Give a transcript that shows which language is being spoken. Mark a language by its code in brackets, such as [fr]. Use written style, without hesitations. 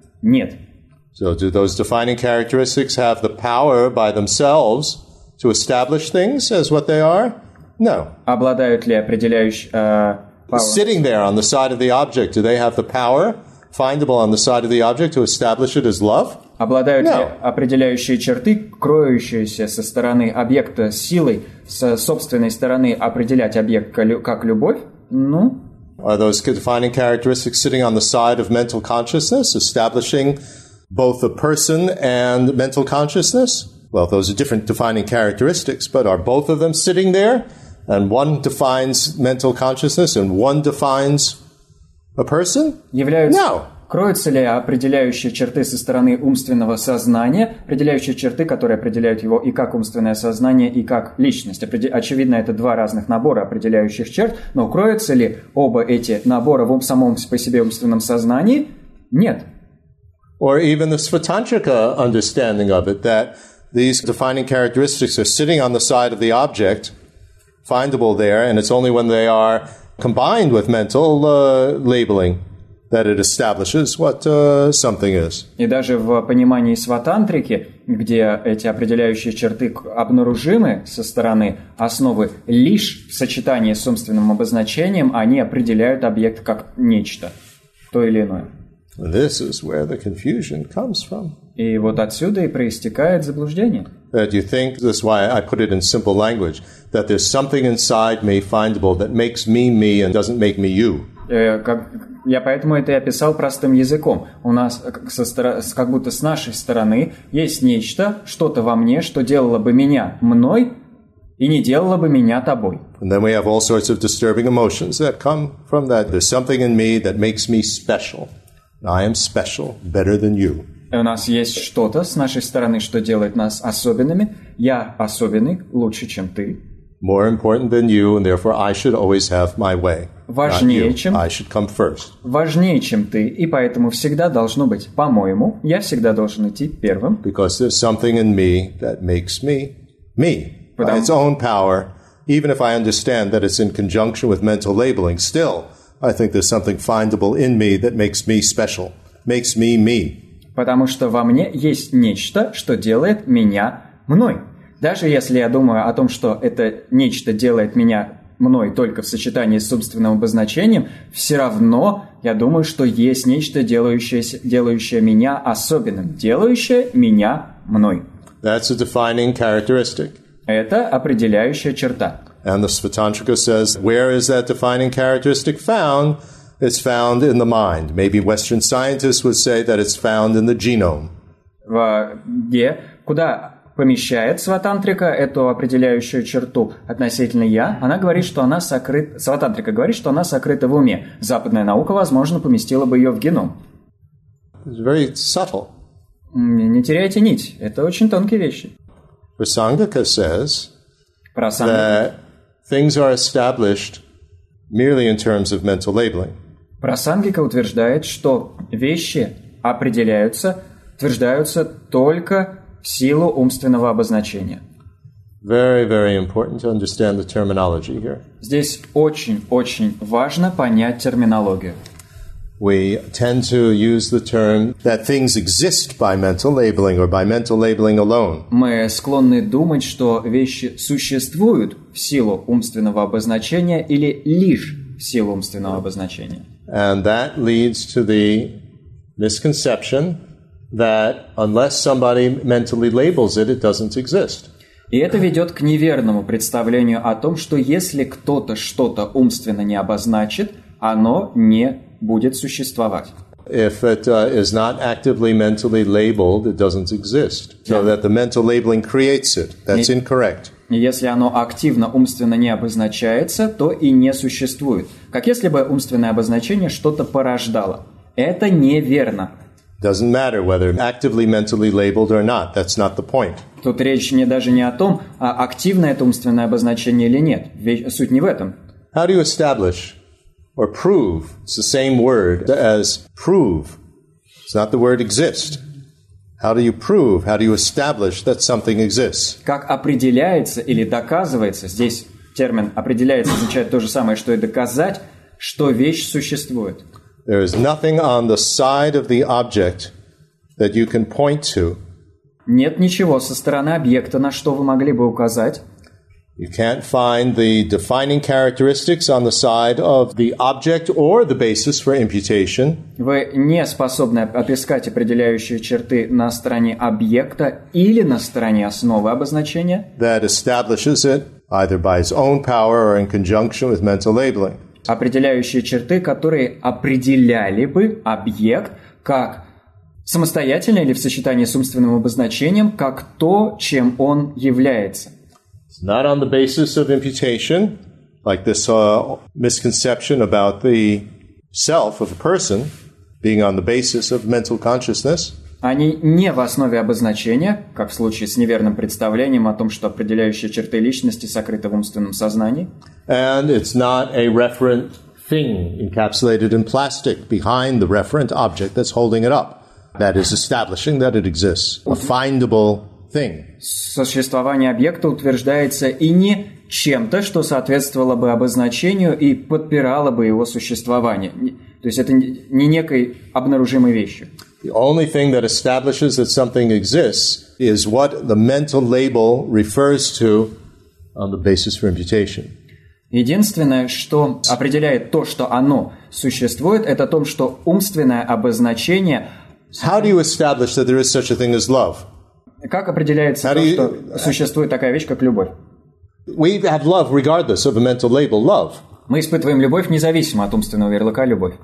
[ru] Нет. [en] So do those defining characteristics have the power by themselves to establish things as what they are? No. [ru] Обладают ли определяющие... [en] Sitting there on the side of the object, do they have the power findable on the side of the object to establish it as love? [ru] Обладают ли определяющие черты, кроющиеся со стороны объекта силой, со собственной стороны определять объект как любовь? Ну... [en] Are those defining characteristics sitting on the side of mental consciousness, establishing both the person and mental consciousness? Well, those are different defining characteristics, but are both of them sitting there? And one defines mental consciousness and one defines a person? No. [ru] Кроются ли определяющие черты со стороны умственного сознания, определяющие черты, которые определяют его и как умственное сознание, и как личность? Очевидно, это два разных набора определяющих черт, но кроются ли оба эти набора в самом по себе умственном сознании? Нет. [en] Or even the Svatantrika understanding of it, that these defining characteristics are sitting on the side of the object, findable there, and it's only when they are combined with mental labeling that it establishes what something is. [ru] И даже в понимании сватантрики, где эти определяющие черты обнаружимы со стороны основы лишь в сочетании с умственным обозначением, они определяют объект как нечто, то или иное. [en] This is where the confusion comes from. [ru] И вот отсюда и проистекает заблуждение. [en] That you think, this is why I put it in simple language, that there's something inside me findable that makes me me and doesn't make me you. [ru] Я поэтому это и описал простым языком. У нас как будто с нашей стороны есть нечто, что-то во мне, что делало бы меня мной и не делало бы меня тобой. [en] And then we have all sorts of disturbing emotions that come from that. There's something in me that makes me special. I am special, better than you. [ru] У нас есть что-то с нашей стороны, что делает нас особенными. Я особенный, лучше, чем ты. [en] More important than you, and therefore I should always have my way. [ru] Важнее, чем... [en] I should come first. [ru] Важнее, чем ты, и поэтому всегда должно быть, по-моему, я всегда должен идти первым. [en] Because there's something in me that makes me me. By its own power, even if I understand that it's in conjunction with mental labeling, still, I think there's something findable in me that makes me special, makes me me. [ru] Потому что во мне есть нечто, что делает меня мной. Даже если я думаю о том, что это нечто делает меня мной только в сочетании с собственным обозначением, все равно я думаю, что есть нечто, делающее меня особенным, делающее меня мной. [en] That's a defining characteristic. [ru] Это определяющая черта. [en] And the Svatantrika says, where is that defining characteristic found? It's found in the mind. Maybe Western scientists would say that it's found in the genome. [ru] Где? Куда помещает сватантрика эту определяющую черту относительно я? Она говорит, что она сокрыта... Сватантрика говорит, что она сокрыта в уме. Западная наука, возможно, поместила бы ее в геном. [en] It's very subtle. [ru] Не теряйте нить. Это очень тонкие вещи. [en] Prasangika says Prasangika. That things are established merely in terms of mental labeling. [ru] Прасангика утверждает, что вещи утверждаются только в силу умственного обозначения. [en] Very, very important to understand the terminology here. [ru] Здесь очень-очень важно понять терминологию. [en] We tend to use the term that things exist by mental labeling or by mental labeling alone. [ru] Мы склонны думать, что вещи существуют в силу умственного обозначения или лишь в силу умственного обозначения. [en] And that leads to the misconception that unless somebody mentally labels it, it doesn't exist. [ru] И это ведет к неверному представлению о том, что если кто-то что-то умственно не обозначит, оно не будет существовать. [en] If it is not actively mentally labeled, it doesn't exist. So that the mental labeling creates it. That's incorrect. [ru] Если оно активно умственно не обозначается, то и не существует. Как если бы умственное обозначение что-то порождало. Это неверно. [en] Doesn't matter whether actively mentally labeled or not. That's not the point. [ru] Тут речь не даже не о том, а активно это умственное обозначение или нет. Суть не в этом. [en] How do you establish or prove it's the same word as prove? It's not the word exist. How do you prove, how do you establish that something exists? [ru] Как определяется или доказывается, здесь термин «определяется» означает то же самое, что и «доказать», что вещь существует. [en] There is nothing on the side of the object that you can point to. [ru] Нет ничего со стороны объекта, на что вы могли бы указать. [en] You can't find the defining characteristics on the side of the object or the basis for imputation. [ru] Вы не способны отыскать определяющие черты на стороне объекта или на стороне основы обозначения. [en] That establishes it either by its own power or in conjunction with mental labeling. [ru] Определяющие черты, которые определяли бы объект как самостоятельно или в сочетании с умственным обозначением, как то, чем он является. [en] It's not on the basis of imputation, like this misconception about the self of a person being on the basis of mental consciousness. [ru] Они не в основе обозначения, как в случае с неверным представлением о том, что определяющие черты личности сокрыты в умственном сознании. [en] And it's not a referent thing encapsulated in plastic behind the referent object that's holding it up. That is establishing that it exists. A findable thing. [ru] Существование объекта утверждается и не чем-то, что соответствовало бы обозначению и подпирало бы его существование. То есть это не некой обнаружимой вещью. [en] The only thing that establishes that something exists is what the mental label refers to on the basis for imputation. [ru] Единственное, что определяет то, что оно существует, это то, что умственное обозначение. [en] How do you establish that there is such a thing as love? [ru] Как определяется то, что существует такая вещь, как любовь? [en] We have love regardless of a mental label, love. [ru] Мы испытываем любовь независимо от умственного ярлыка любовь.